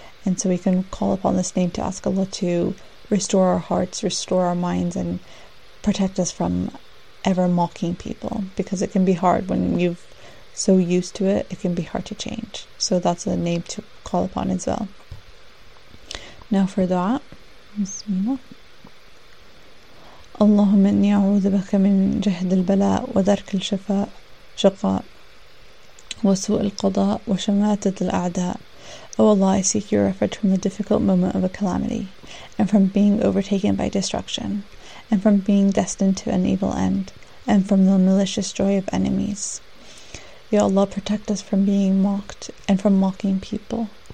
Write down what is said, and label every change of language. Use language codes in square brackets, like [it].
[en] And so we can call upon this name to ask Allah to restore our hearts, restore our minds, and protect us from ever mocking people. Because it can be hard when you've so used to it, it can be hard to change. So that's a name to call upon as well. Now for that, Bismillah. [ar] اللهم إني أعوذ بك من جهد البلاء ودرك الشفاء شقاء وسوء القضاء وشماتة الأعداء. [en] O Allah, I seek your refuge from the difficult moment of a calamity, and from being overtaken by destruction, and from being destined to an evil end, and from the malicious joy of enemies. Ya Allah, protect us from being mocked and from mocking people.